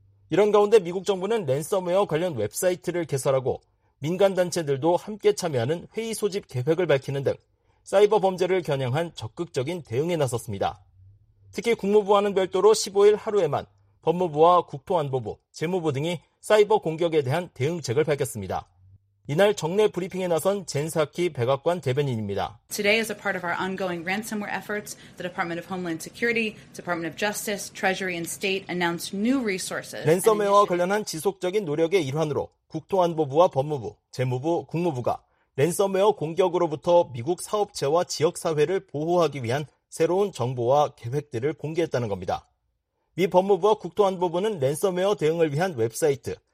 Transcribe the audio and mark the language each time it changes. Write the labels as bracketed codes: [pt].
[ko] 이런 가운데 미국 정부는 랜섬웨어 관련 웹사이트를 개설하고 민간단체들도 함께 참여하는 회의 소집 계획을 밝히는 등 사이버 범죄를 겨냥한 적극적인 대응에 나섰습니다. 특히 국무부와는 별도로 15일 하루에만 법무부와 국토안보부, 재무부 등이 사이버 공격에 대한 대응책을 밝혔습니다. 이날 정례 브리핑에 나선 젠사키 백악관 대변인입니다. [en] Today is a part of our ongoing ransomware efforts. The Department of Homeland Security, Department of Justice, Treasury and State announced new resources. [ko] 랜섬웨어와 관련한 지속적인 노력의 일환으로 국토안보부와 법무부, 재무부, 국무부가 랜섬웨어 공격으로부터 미국 사업체와 지역 사회를 보호하기 위한 새로운 정보와 계획들을 공개했다는 겁니다. 미 법무부와 국토안보부는 랜섬웨어 대응을 위한 웹사이트